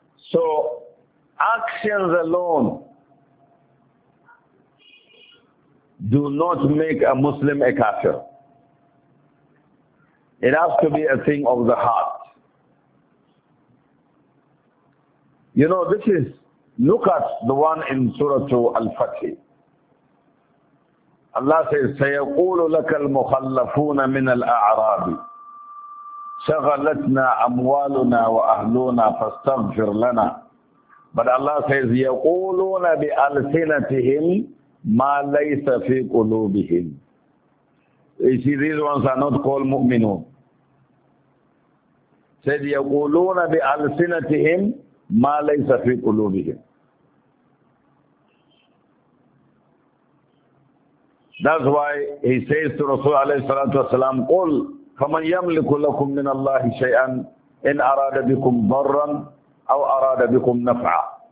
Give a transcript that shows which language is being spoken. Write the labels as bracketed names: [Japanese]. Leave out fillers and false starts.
[English] So, actions alone do not make a Muslim a kafir. It has to be a thing of the heart. You know, this is, look at the one in Surah 2 Al-Fatih. Allah says, [Arabic] سَيَقُولُ لَكَ الْمُخَلَّفُونَ مِنَ الْأَعْرَابِ شَغَلَتْنَا أَمْوَالُنَا وَأَهْلُونَا فَاسْتَغْفِرْ لَنَا. [English] But Allah says, [Arabic] يَقُولُونَ بِأَلْسِنَتِهِمْ مَا لَيْسَ فِي قُلُوبِهِمْ. [English] You see, these ones are not called mu'minun. [Arabic] Said, يَقُولُونَ بِأَلْسِنَتِهِمْ مَا لَيْسَ فِي قُلُوبِهِمْ. [English] That's why he says to Rasul alayhi salatu wasalam, [Arabic] قُلْ فَمَنْ يَمْلِكُ لَكُمْ مِنَ اللَّهِ شَيْئًا إِنْ أَرَادَ بِكُمْ ضَرًّا أَوْ أَرَادَ بِكُمْ نَفْعًا.